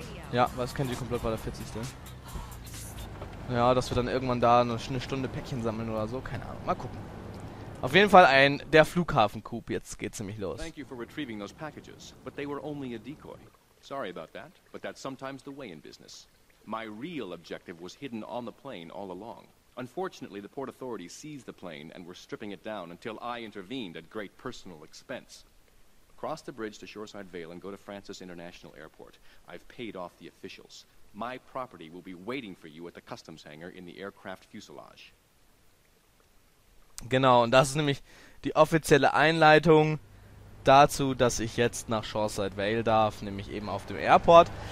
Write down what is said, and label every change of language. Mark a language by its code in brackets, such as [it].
[de] Ja, was kennt ihr komplett bei der 40. Ja, dass wir dann irgendwann da noch eine Stunde Päckchen sammeln oder so. Keine Ahnung. Mal gucken. Auf jeden Fall ein der Flughafen-Coup. Jetzt geht's nämlich los. [en] Thank you for retrieving those packages, but they were only a decoy. Sorry about that, but that's sometimes the way in business. My real objective was hidden on the plane all along. Unfortunately, the port authorities seized the plane and were stripping it down until I intervened at great personal expense. Cross the bridge to Shoreside Vale and go to Francis International Airport. I've paid off the officials. My property will be waiting for you at the customs hangar in the aircraft fuselage. [de] Genau, und das ist nämlich die offizielle Einleitung dazu, dass ich jetzt nach Shoreside Vale darf, nämlich eben auf dem Airport.